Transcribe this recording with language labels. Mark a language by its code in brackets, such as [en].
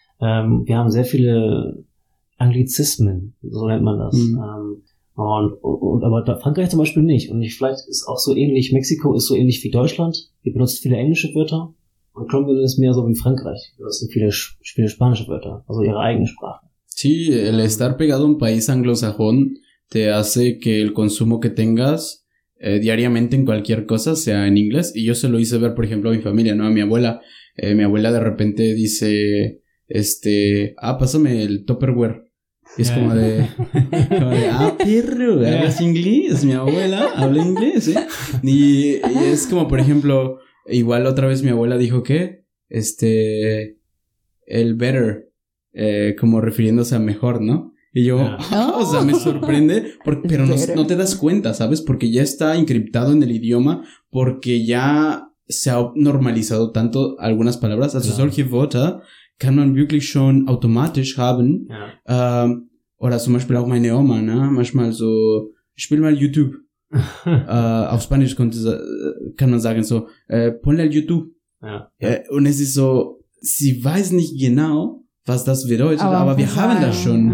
[de] Wir haben sehr viele Anglizismen, so nennt man das. Mhm. Und aber da, Frankreich zum Beispiel nicht. Und vielleicht ist auch so ähnlich, Mexiko ist so ähnlich wie Deutschland. Ihr benutzt viele englische Wörter. Und Colombia ist mehr so wie Frankreich. Das sind viele spanische Wörter, also ihre eigene Sprache. [es] Sí, el estar pegado a un país anglosajón te hace que el consumo que tengas diariamente en cualquier cosa sea en inglés. Y yo se lo hice ver, por ejemplo, a mi familia, ¿no? A mi abuela. Mi abuela de repente dice, pásame el Tupperware. Y es como de, perro, ¿hablas inglés? Mi abuela habla inglés, ¿eh? Y es como, por ejemplo, igual otra vez mi abuela dijo que, el better. Como refiriéndose a mejor, ¿no? Y yo, o sea, me sorprende, pero no te das cuenta, ¿sabes? Porque ya está encriptado en el idioma, porque ya se ha normalizado tanto algunas palabras. [de] Also solche Worte kann man wirklich schon automatisch haben. Ja. Oder zum Beispiel auch meine Oma, ne? Manchmal so, ich spiel mal YouTube. auf Spanisch kann man sagen so, [es] ponle al YouTube. [de] Ja. Und es ist so, sie weiß nicht genau, was das bedeutet, aber wir haben das schon.